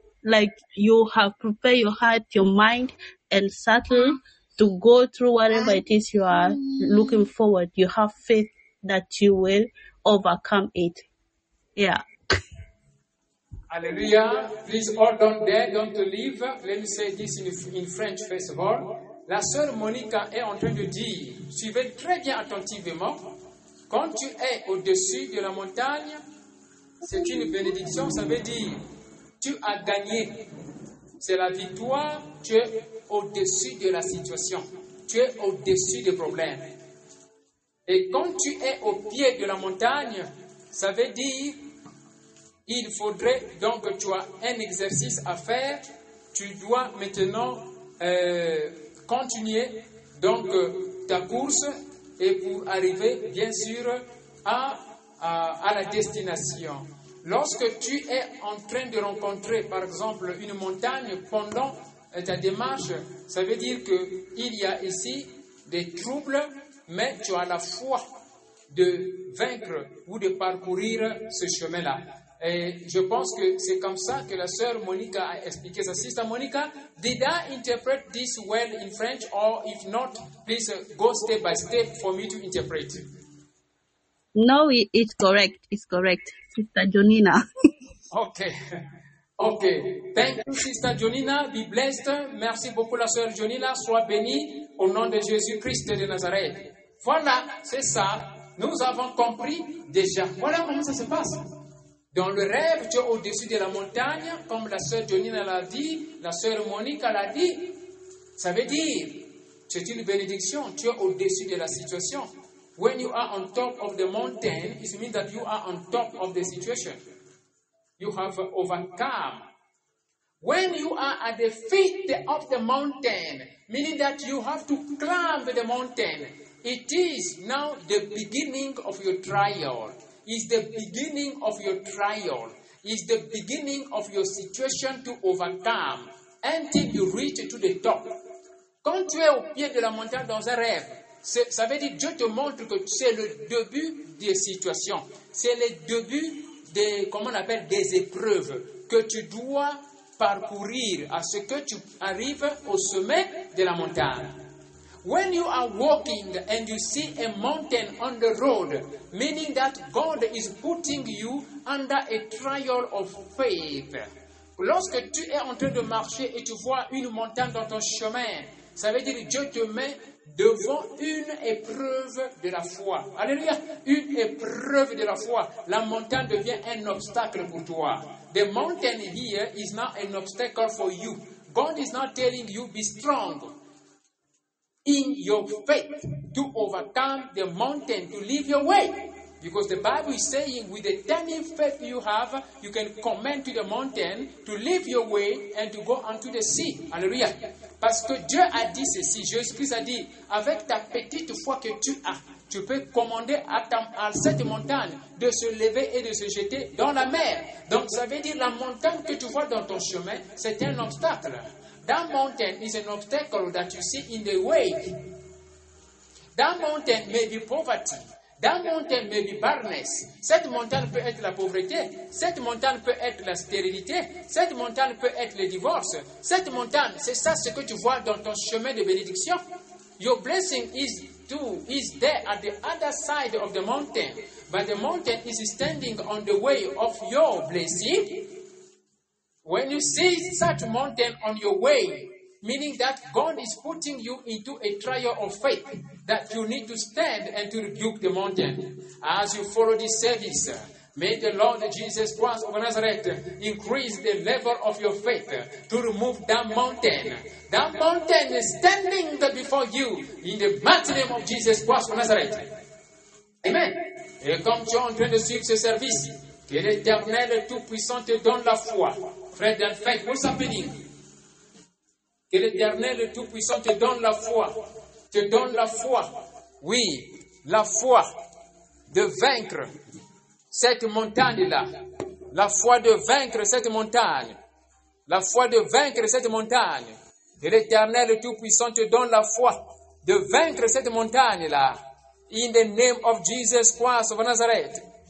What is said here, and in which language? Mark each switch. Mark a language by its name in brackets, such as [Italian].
[English] Like you have prepared your heart, your mind, and settled to go through whatever it is you are looking forward. You have faith that you will overcome it. Yeah. Alleluia. Please all don't dare, don't leave. Let me say this in French first of all. [French] La sœur Monica est en train de dire, suivez très bien attentivement, quand tu es au-dessus de la montagne, c'est une bénédiction, ça veut dire, tu as gagné. C'est la victoire, tu es au-dessus de la situation. Tu es au-dessus des problèmes. Et quand tu es au pied de la montagne, ça veut dire, il faudrait donc que tu aies un exercice à faire. Tu dois maintenant continuer donc ta course et pour arriver bien sûr à la destination. Lorsque tu es en train de rencontrer par exemple une montagne pendant ta démarche, ça veut dire que il y a ici des troubles, mais tu as la foi de vaincre ou de parcourir ce chemin-là. Et je pense que c'est comme ça que la sœur Monica a expliqué ça. [English] Sister Monica, did I interpret this well in French? Or if not, please go step by step for me to interpret. No, it's correct. It's correct, Sister Jonina. Okay. Okay. Thank you, Sister Jonina. Be blessed. [French] Merci beaucoup, la sœur Jonina. Sois bénie au nom de Jésus-Christ de Nazareth. Voilà, c'est ça. Nous avons compris déjà. Voilà comment ça se passe. Dans le rêve, tu es au-dessus de la montagne, comme la sœur Jonina l'a dit, la sœur Monica l'a dit. Ça veut dire, c'est une bénédiction, tu es au-dessus de la situation. [English] When you are on top of the mountain, it means that you are on top of the situation. You have overcome. When you are at the feet of the mountain, meaning that you have to climb the mountain, it is now the beginning of your trial. Is the beginning of your trial, is the beginning of your situation to overcome until you reach to the top. [French] Quand tu es au pied de la montagne dans un rêve, ça veut dire Dieu te montre que c'est le début des situations, c'est le début des, comment on appelle, des épreuves que tu dois parcourir à ce que tu arrives au sommet de la montagne. [English] When you are walking and you see a mountain on the road, meaning that God is putting you under a trial of faith. [French] Lorsque tu es en train de marcher et tu vois une montagne dans ton chemin, ça veut dire que Dieu te met devant une épreuve de la foi. Alléluia! Une épreuve de la foi. La montagne devient un obstacle pour toi. [English] The mountain here is not an obstacle for you. God is not telling you, be strong in your faith to overcome the mountain, to live your way. Because the Bible is saying with the determined faith you have, you can command to the mountain to live your way and to go unto the sea. Hallelujah. [French] Parce que Dieu a dit ceci, Jésus-Christ a dit, avec ta petite foi que tu as, tu peux commander à cette montagne de se lever et de se jeter dans la mer. Donc ça veut dire la montagne que tu vois dans ton chemin, c'est un obstacle. [English] That mountain is an obstacle that you see in the way. That mountain may be poverty. That mountain may be barrenness. [French] Cette montagne peut être la pauvreté. Cette montagne peut être la stérilité. Cette montagne peut être le divorce. Cette montagne, c'est ça ce que tu vois dans ton chemin de bénédiction. [English] Your blessing is there at the other side of the mountain. But the mountain is standing on the way of your blessing. When you see such mountain on your way, meaning that God is putting you into a trial of faith, that you need to stand and to rebuke the mountain. As you follow this service, may the Lord Jesus Christ of Nazareth increase the level of your faith to remove that mountain. That mountain is standing before you in the mighty name of Jesus Christ of Nazareth. Amen. [French] Et comme tu es en train de suivre ce service, que l'Éternel Tout-Puissant te donne la foi. Frère Delphine, pour sa bénie. Que l'Éternel le Tout-Puissant te donne la foi. Te donne la foi. Oui, la foi de vaincre cette montagne-là. La foi de vaincre cette montagne. La foi de vaincre cette montagne. Que l'Éternel le Tout-Puissant te donne la foi de vaincre cette montagne-là. [English] in the name of Jesus Christ of Nazareth.